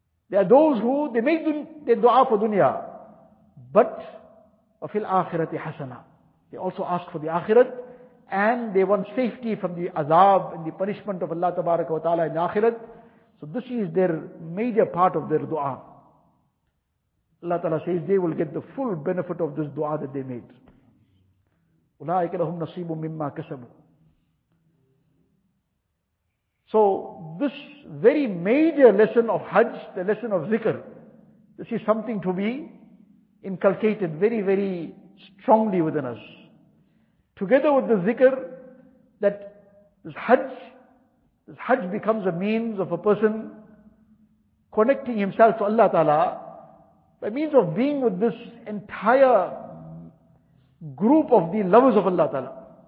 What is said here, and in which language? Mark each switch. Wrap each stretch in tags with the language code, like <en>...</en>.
<en>There are those who, they make their dua for dunya, but</en> <ar>وَفِي الْآخِرَةِ حَسَنَا.</ar> <en>They also ask for the akhirat, and they want safety from the azab and the punishment of Allah Tabaraka wa Ta'ala in the akhirat. So this is their major part of their dua. Allah Ta'ala says they will get the full benefit of this dua that they made.</en> <ar>أُولَٰئِكَ لَهُمْ نَصِيبٌ مِمَّا كَسَبُوا.</ar> <en>So this very major lesson of Hajj, the lesson of zikr, this is something to be inculcated very, very strongly within us. Together with the zikr, that this Hajj becomes a means of a person connecting himself to Allah Ta'ala by means of being with this entire group of the lovers of Allah Ta'ala.</en>